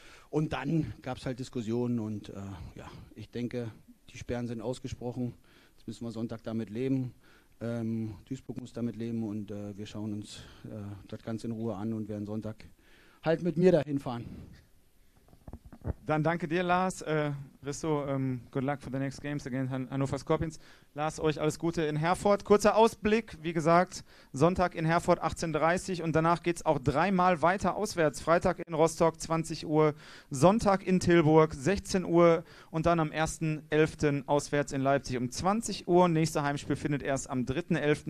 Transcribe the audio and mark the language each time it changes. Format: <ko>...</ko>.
<de>Und dann gab es halt Diskussionen und ich denke, die Sperren sind ausgesprochen. Jetzt müssen wir Sonntag damit leben. Duisburg muss damit leben und wir schauen uns das ganz in Ruhe an und werden Sonntag halt mit mir dahin fahren. Dann danke dir, Lars.</de> <en>Risto, good luck for the next games against Hannover Scorpions.</en> <de>Lars, euch alles Gute in Herford. Kurzer Ausblick, wie gesagt, Sonntag in Herford 18:30 und danach geht es auch dreimal weiter auswärts. Freitag in Rostock 20 Uhr, Sonntag in Tilburg 16 Uhr und dann am 1.11. auswärts in Leipzig um 20 Uhr. Nächste Heimspiel findet erst am 3.11.</de>